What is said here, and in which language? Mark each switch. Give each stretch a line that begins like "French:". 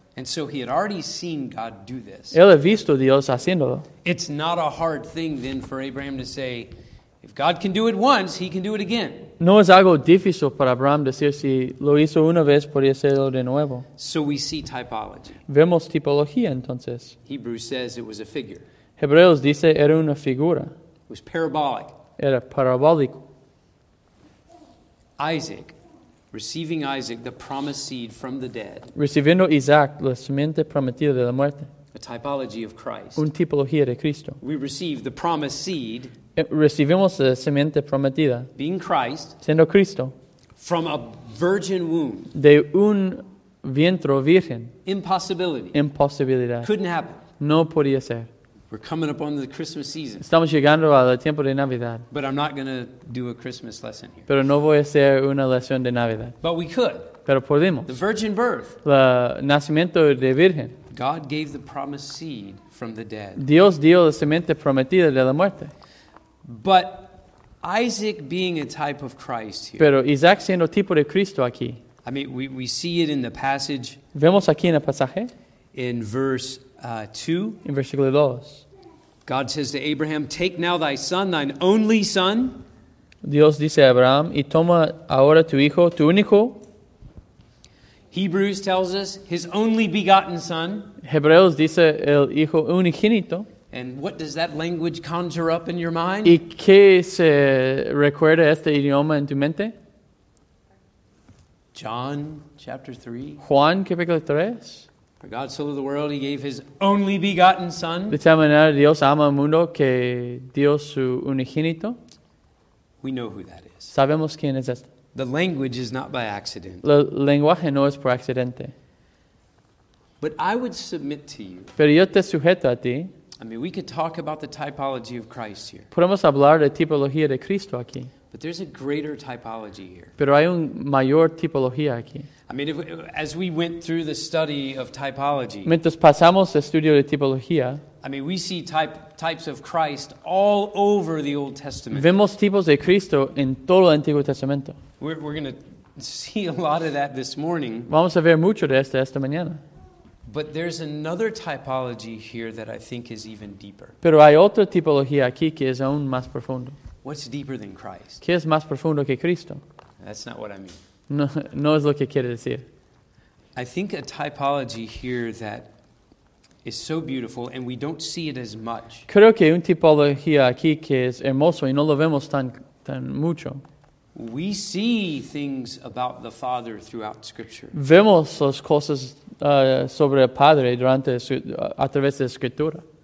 English: And so he had already seen God do this.
Spanish: Él ha visto Dios haciéndolo.
English: It's not a hard thing then for Abraham to say, if God can do it once, he can do it again.
Spanish: No es algo difícil para Abraham decir, si lo hizo una vez, podría hacerlo de nuevo.
English: So we see typology.
Spanish: Vemos tipología entonces.
English: Hebrews says it was a figure.
Spanish: Hebreos dice, era una figura.
English: It was parabolic.
Spanish: Era parabólico.
English: Isaac, receiving Isaac, the promised seed from the dead.
Spanish: Recibiendo Isaac, la simiente prometida de la muerte.
English: A typology of Christ.
Spanish: Un tipología de Cristo.
English: We receive the promised seed.
Spanish: Recibimos la simiente prometida.
English: Being Christ.
Spanish: Siendo Cristo.
English: From a virgin womb.
Spanish: De un vientre virgen.
English: Impossibility.
Spanish: Impossibilidad.
English: Couldn't happen.
Spanish: No podía ser.
English: We're coming up on the Christmas season.
Spanish: Estamos llegando al tiempo de Navidad.
English: But I'm not going to do a Christmas lesson here.
Spanish: Pero no voy a hacer una lección de Navidad.
English: But we could.
Spanish: Pero podemos.
English: The virgin birth.
Spanish: La nacimiento de virgen.
English: God gave the promised seed from the dead.
Spanish: Dios dio la semente prometida de la muerte.
English: But Isaac being a type of Christ here.
Spanish: Pero Isaac siendo tipo de Cristo aquí.
English: I mean, we see it in the passage.
Spanish: Vemos aquí en el pasaje.
English: In verse 2.
Spanish: In versículo 2.
English: God says to Abraham, take now thy son, thine only son.
Spanish: Dios dice a Abraham, y toma ahora tu hijo, tu único.
English: Hebrews tells us, his only begotten son.
Spanish: Hebreos dice, el hijo unigénito.
English: And what does that language conjure up in your mind?
Spanish: ¿Y qué se recuerda este idioma en tu mente?
English: John chapter 3.
Spanish: Juan capítulo 3.
English: For God so loved the world, he gave his only begotten son.
Spanish: De tal manera Dios ama al mundo que dio su unigénito.
English: We know who that is.
Spanish: Sabemos quién es este.
English: The language is not by accident.
Spanish: El lenguaje no es por accidente.
English: But I would submit to you.
Spanish: Pero yo te sujeto a ti.
English: I mean, we could talk about the typology of Christ here.
Spanish: Podemos hablar de tipología de Cristo aquí.
English: But there's a greater typology here.
Spanish: Pero hay un mayor tipología aquí.
English: I mean, as we went through the study of typology.
Spanish: Mientras pasamos el estudio de tipología.
English: I mean, we see types of Christ all over the Old Testament.
Spanish: Vemos tipos de Cristo en todo el Antiguo Testamento.
English: We're going to see a lot of that this morning.
Spanish: Vamos a ver mucho de esta mañana.
English: But there's another typology here that I think is even deeper.
Spanish: Pero hay otra tipología aquí que es aún más profundo.
English: What's deeper than Christ?
Spanish: ¿Qué es más profundo que Cristo?
English: That's not what I mean.
Spanish: No es lo que quiere decir.
English: I think a typology here that is so beautiful, and we don't see it as much.
Spanish: Creo que un tipología aquí que es hermoso y no lo vemos tan mucho.
English: We see things about the Father throughout Scripture.
Spanish: Vemos las cosas sobre el Padre durante a través de la Escritura.